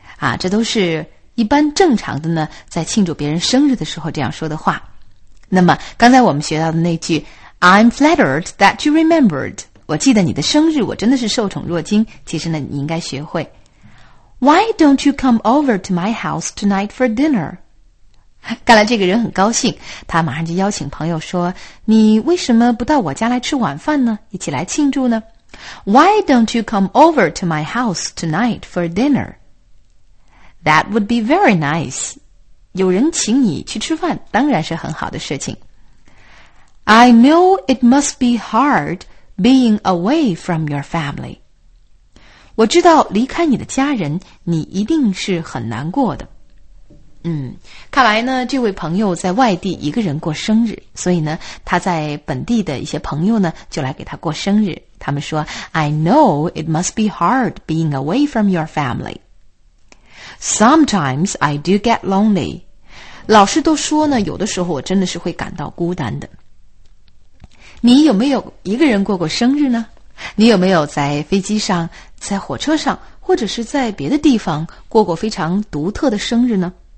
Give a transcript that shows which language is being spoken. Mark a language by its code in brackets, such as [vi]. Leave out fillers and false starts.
[zh] 啊，这都是一般正常的呢，在庆祝别人生日的时候这样说的话。那么刚才我们学到的那句 I'm flattered that you remembered. 我记得你的生日，我真的是受宠若惊。 [en] 其实呢，你应该学会 Why don't you come over to my house tonight for dinner? [zh] 看来这个人很高兴，他马上就邀请朋友说，你为什么不到我家来吃晚饭呢？一起来庆祝呢？ [en] Why don't you come over to my house tonight for dinner? That would be very nice. [zh] 有人请你去吃饭，当然是很好的事情。 [en] I know it must be hard. Being away from your family. [zh] 我知道离开你的家人，你一定是很难过的。看来呢，这位朋友在外地一个人过生日，所以呢，他在本地的一些朋友呢，就来给他过生日。 [en] 他们说 I know it must be hard being away from your family. Sometimes I do get lonely. [zh] 老师都说呢，有的时候我真的是会感到孤单的。你有没有一个人过过生日呢？你有没有在飞机上、在火车上，或者是在别的地方过过非常独特的生日呢？